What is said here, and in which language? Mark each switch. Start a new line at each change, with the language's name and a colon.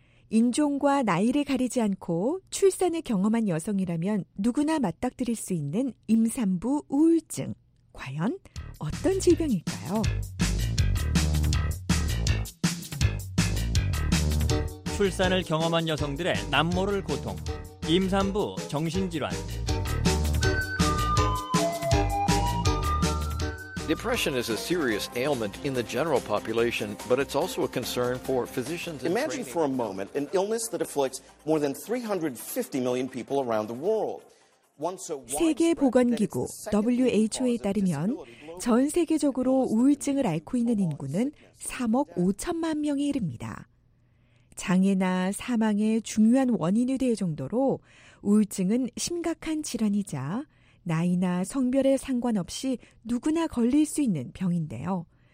Korean: 인종과 나이를 가리지 않고 출산을 경험한 여성이라면 누구나 맞닥뜨릴 수 있는 임산부 우울증. 과연 어떤 질병일까요? 출산을 경험한 여성들의 남모를 고통, 임산부 정신질환.
English: Depression is a serious ailment in the general population, but it's also a concern for physicians. Imagine for a moment an illness that afflicts more than 350 million people around the world.
Korean: 세계보건기구 WHO에 따르면 전 세계적으로 우울증을 앓고 있는 인구는 3억 5천만 명에 이릅니다. 장애나 사망의 중요한 원인이 될 정도로 우울증은 심각한 질환이자 나이나 성별에 상관없이 누구나 걸릴 수 있는 병인데요.